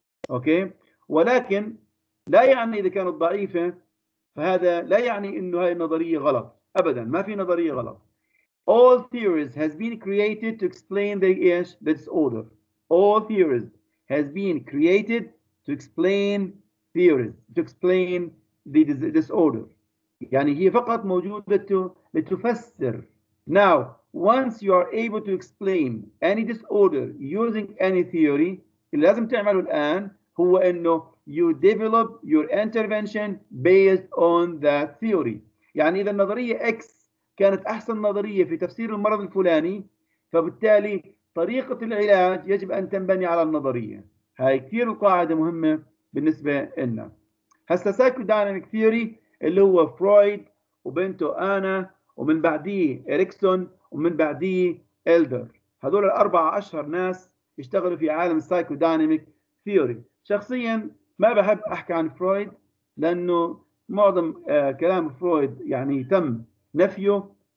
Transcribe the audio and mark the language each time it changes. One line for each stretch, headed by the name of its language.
Arabic: أوكي؟ ولكن لا يعني إذا كانت ضعيفة فهذا لا يعني إنه هاي النظرية غلط أبداً ما في نظرية غلط All theories has been created to explain the disorder All theories has been created to explain theories to explain the disorder يعني هي فقط موجودة لتفسر.
English: Now, once you are able to explain any disorder using any theory, اللي لازم تعمله الآن هو إنه you develop your intervention based on that theory.
Arabic: يعني إذا النظرية X كانت أحسن نظرية في تفسير المرض الفلاني، فبالتالي طريقة العلاج يجب أن تنبني على النظرية. هاي كثير القاعدة مهمة بالنسبة لنا. هسا psychodynamic theory اللي هو فرويد وبنته آنا ومن بعديه إريكسون ومن بعديه إلدر هذول الأربعة أشهر ناس يشتغلوا في عالم السايكوديناميك ثيوري شخصيا ما بحب أحكي عن فرويد لأنه معظم كلام فرويد يعني تم نفيه